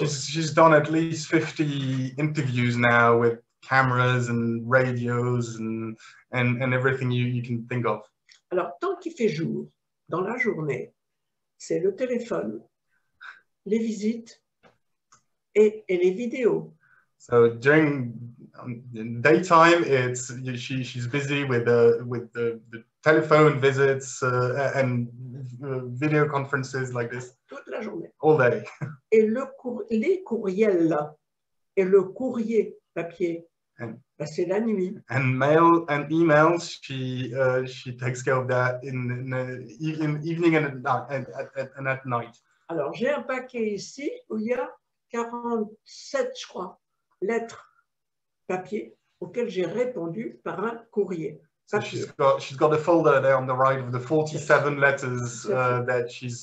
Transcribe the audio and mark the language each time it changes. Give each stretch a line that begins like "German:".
English: She's done at least 50 interviews now with cameras and radios and everything you can think of.
French: Alors, tant qu'il fait jour, dans la journée, c'est le téléphone, les visites et les vidéos.
English: So during daytime, it's she's busy with the telephone visits and video conferences like this.
French: Toute la journée.
English: All day.
French: Et les courriels et le courrier papier. C'est la nuit.
English: And mail and emails, she takes care of that in evening and at night.
French: Alors, j'ai un paquet ici où il y a 47, je crois, lettres papier auxquelles j'ai répondu par un courrier.
English: So she's got a folder there on the right of the 47 letters that she's